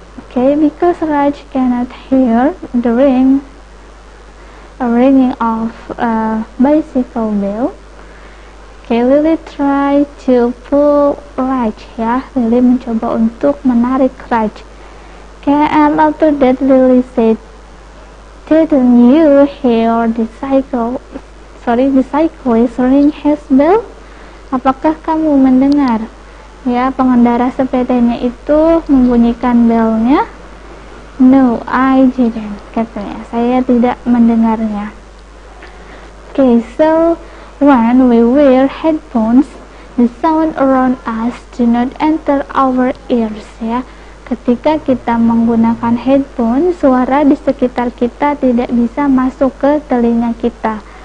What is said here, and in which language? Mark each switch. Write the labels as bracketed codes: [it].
[en] Okay, because Raj cannot hear the ringing of a bicycle bell, okay, Lily try to pull Raj, ya. [id] Lily mencoba untuk menarik Raj. [en] Okay, and after that, Lily said, "Didn't you hear the cyclist ring his bell?" [id] Apakah kamu mendengar ya pengendara sepedanya itu membunyikan belnya? [en] "No, I didn't," [id] katanya. "Saya tidak mendengarnya." [en] Okay, so when we wear headphones, the sound around us do not enter our ears, ya. [id] Ketika kita menggunakan headphone, suara di sekitar kita tidak bisa masuk ke telinga kita.